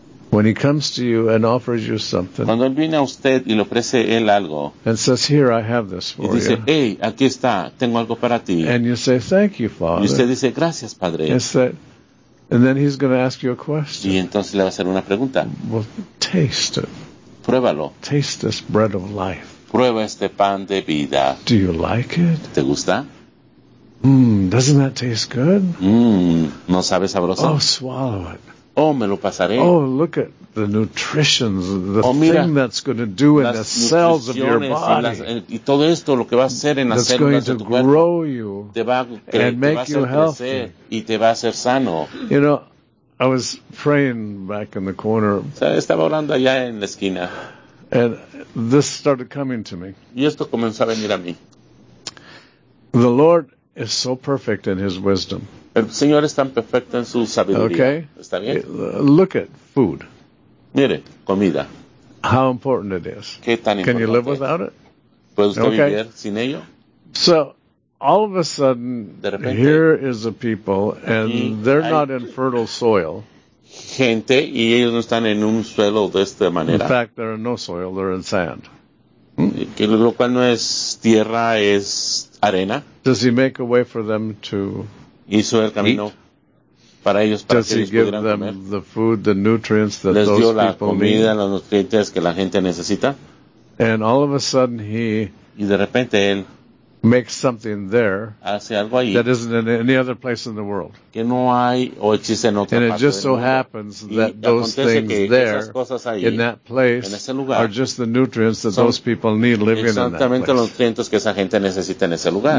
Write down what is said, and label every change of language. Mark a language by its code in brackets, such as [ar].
[en] When he comes to you and offers you something. [es] Cuando él viene a usted y le ofrece él algo. [en] And says, here I have this for [es] y dice, [en] you. [es] Hey, aquí está, tengo algo para ti. [en] And you say, thank you, Father. [es] Y usted dice, gracias, Padre. [en] And then he's going to ask you a question. [es] Y entonces le va a hacer una pregunta. [en] Well, taste it. [es] Pruébalo. [en] Taste this bread of life. [es] Prueba este pan de vida. [en] Do you like it? [es] ¿Te gusta? [en] Doesn't that taste good? [es] ¿No sabe sabroso? [en] Oh, swallow it. [es] Oh, me lo pasaré. [en] Oh, look at the nutrition, the thing that's going to do in the cells of your body. [es] Y todo esto lo que va a hacer en las células de tu cuerpo. [en] That's going to grow you and make you healthy. [es] Y te va a hacer sano. [en] You know, I was praying back in the corner. [es] Estaba orando allá en la esquina. [en] And this started coming to me. [es] Y esto comenzó a venir a mí. [en] The Lord is so perfect in His wisdom. [es] El Señor es tan perfecto en su sabiduría. [en] Okay. [es] ¿Está bien? [en] Look at food. [es] Mire, comida. [en] How important it is. [es] ¿Qué tan [en] importante? Can you live without it? [es] ¿Puede usted vivir sin ello? [en] So, all of a sudden, [es] de repente, [en] here is a people, and they're not in fertile soil. [es] Gente, y ellos no están en un suelo de esta manera. [en] In fact, there are no soil, they're in sand. [es] Que lo cual no es tierra, es arena. [en] Does He make a way for them to... [es] Hizo el camino para ellos, para [en] Does [es] que ellos pudieran comer. [en] The food, the nutrients that [es] les dio [en] those [es] la comida, los nutrientes que la gente necesita. [en] And all of a sudden he [es] y de repente él [en] makes something there [es] hace algo ahí [en] that isn't in any other place in the world. [es] Que no hay o existe en otra [en] and [es] parte [en] it just so [es] mundo. [en] Happens that those things there [es] ahí, [en] in that place [es] en ese lugar, [en] are just the nutrients that those people need living in that place. [es] Exactamente los nutrientes que esa gente necesita en ese lugar.